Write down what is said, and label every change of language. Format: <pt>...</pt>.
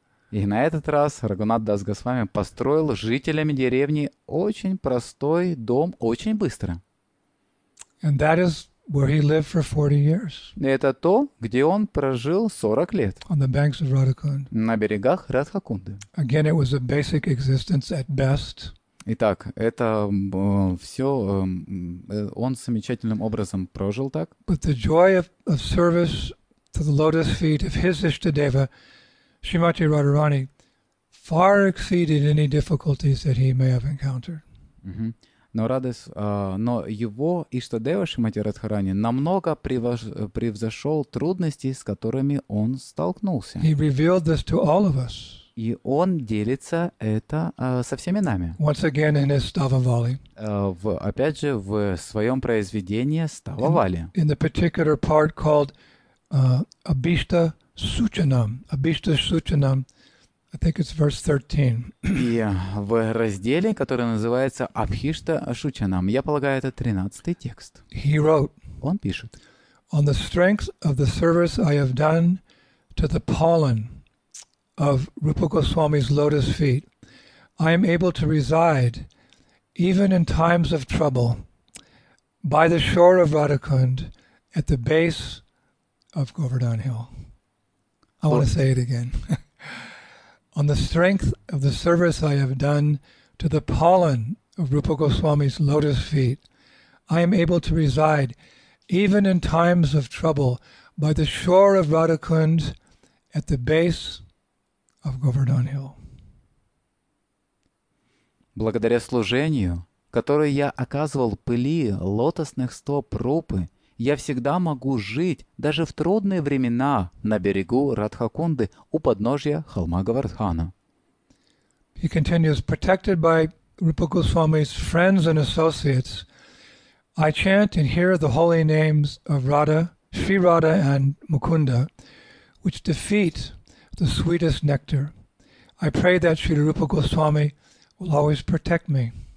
<ru>И на этот раз Рагунат Дас Госвами построил жителями деревни очень простой дом очень быстро.</ru> <en>And that is where he lived for 40 years.</en> <ru>Это то, где он прожил 40 лет.</ru> <en>On the banks of Radhakund.</en> <ru>На берегах Радхакунды.</ru> <en>Again, it was a basic existence at best.</en> <ru>Итак, это все он замечательным образом прожил так.</ru> <en>But the joy of service to the lotus feet of his Ishtadeva, Srimati Radharani, far exceeded any difficulties that he may have encountered. Mm-hmm.</en> <ru>Но его Иштадева Шримати Радхарани намного превзошел трудности, с которыми он столкнулся.</ru> <en>He revealed this to all of us.</en> <ru>И он делится это со всеми нами.</ru> <en>Once again in his Stavavali.</en> <ru>Опять же, в своем произведении Стававали.</ru> <en>In the particular part called Abhishta Suchanam. Abhishta Suchanam. I think it's verse 13.</en> <ru>И в разделе, который называется Абхишта Шучанам, я полагаю, это 13-й текст.</ru> <en>He wrote,</en> <ru>он пишет,</ru> <en>on the strength of the service I have done to the pollen of Rupa Goswami's lotus feet, I am able to reside, even in times of trouble, by the shore of Radhakund at the base of Govardhan Hill. I want to say it again. On the strength of the service I have done to the pollen of Rupa Goswami's lotus feet, I am able to reside, even in times of trouble, by the shore of Radhakund at the base of Govardhan Hill.</en> <ru>Благодаря служению, которое я оказывал пыли лотосных стоп Рупы, я всегда могу жить даже в трудные времена на берегу Радхакунды у подножья холма Говардхана.</ru> <en>He continues, protected by Rupa Goswami's friends and associates, I chant and hear the holy names of Radha, Sri Radha and Mukunda, which defeat the sweetest nectar. I pray that Sri Rupa Goswami will always protect me.</en>